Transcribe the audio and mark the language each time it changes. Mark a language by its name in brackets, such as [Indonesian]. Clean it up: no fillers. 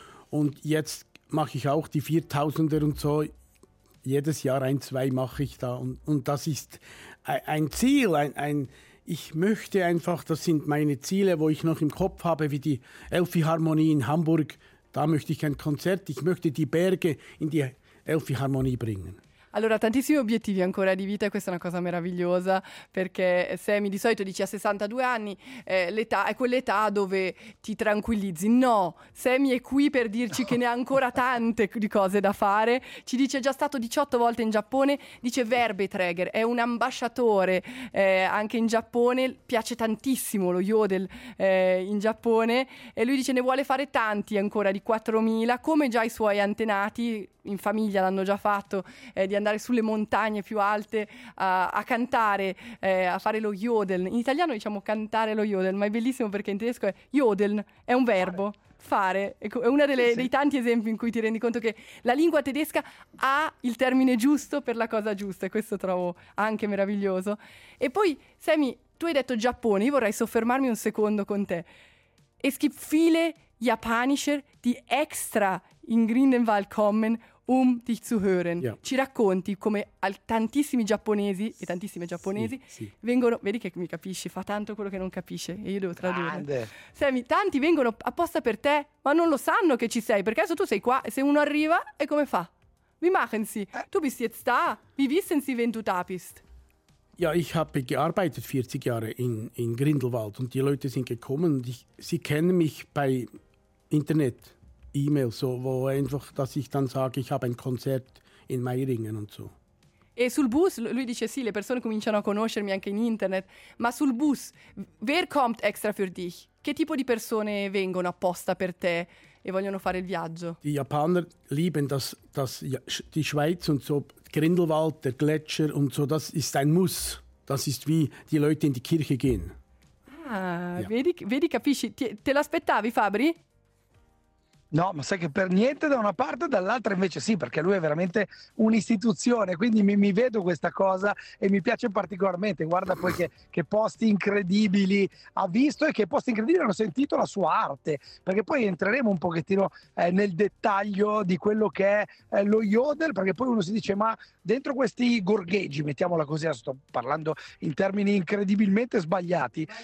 [German] Und jetzt mache ich auch die 4000er und so. Jedes Jahr ein, zwei mache ich da. Und das ist ein Ziel. Ich möchte einfach, das sind meine Ziele, wo ich noch im Kopf habe, wie die Elfie Harmonie in Hamburg da möchte ich ein Konzert, ich möchte die Berge in die Elfi-Harmonie bringen. [Italian] Allora, tantissimi obiettivi ancora di vita, questa è una cosa meravigliosa, perché Sammy di solito dice a 62 anni l'età è quell'età dove ti tranquillizzi. No, Sammy è qui per dirci che ne ha ancora tante di cose da fare. Ci dice, è già stato 18 volte in Giappone, dice Werbeträger, è un ambasciatore anche in Giappone, piace tantissimo lo yodel in Giappone, e lui dice ne vuole fare tanti ancora di 4.000, come già i suoi antenati in famiglia l'hanno già fatto, di andare sulle montagne più alte a cantare, a fare lo yodel. In italiano diciamo cantare lo yodel, ma è bellissimo perché in tedesco è yodeln, è un verbo, fare. È uno dei tanti esempi in cui ti rendi conto che la lingua tedesca ha il termine giusto per la cosa giusta, e questo trovo anche meraviglioso. E poi, Sammy, tu hai detto Giappone, io vorrei soffermarmi un secondo con te. [German] Es gibt viele japanische, die extra in Grindelwald kommen, um dich zu hören. [English] Yeah. [Italian] Ci racconti come tantissimi giapponesi e tantissime giapponesi vengono, vedi che mi capisci, fa tanto quello che non capisce e io devo tradurre. Grande. Sammy, tanti vengono apposta per te, ma non lo sanno che ci sei, perché adesso tu sei qua e se uno arriva, e come fa? [German] Wie machen Sie? Du bist jetzt da. Wie wissen Sie, wenn du da bist? Ja, ich habe gearbeitet 40 Jahre in Grindelwald und die Leute sind gekommen und sie kennen mich bei Internet. E-mail, so, wo einfach, dass ich dann sage, ich habe ein Konzert in Meiringen und so. [Italian] E sul bus, lui dice sì, le persone cominciano a conoscermi anche in internet, ma sul bus, [German] wer kommt extra für dich? [Italian] Che tipo di persone vengono apposta per te e vogliono fare il viaggio? [German] Die Japaner lieben das die Schweiz und so, Grindelwald, der Gletscher und so, das ist ein Muss. Das ist wie die Leute in die Kirche gehen. [Italian] Ah, ja. Vedi, capisci? Te l'aspettavi, Fabri? No, ma sai che per niente da una parte, dall'altra invece sì, perché lui è veramente un'istituzione, quindi mi vedo questa cosa e mi piace particolarmente. Guarda poi che posti incredibili ha visto e che posti incredibili hanno sentito la sua arte, perché poi entreremo un pochettino nel dettaglio di quello che è lo yodel, perché poi uno si dice, ma dentro questi gorgheggi, mettiamola così, sto parlando in termini incredibilmente sbagliati,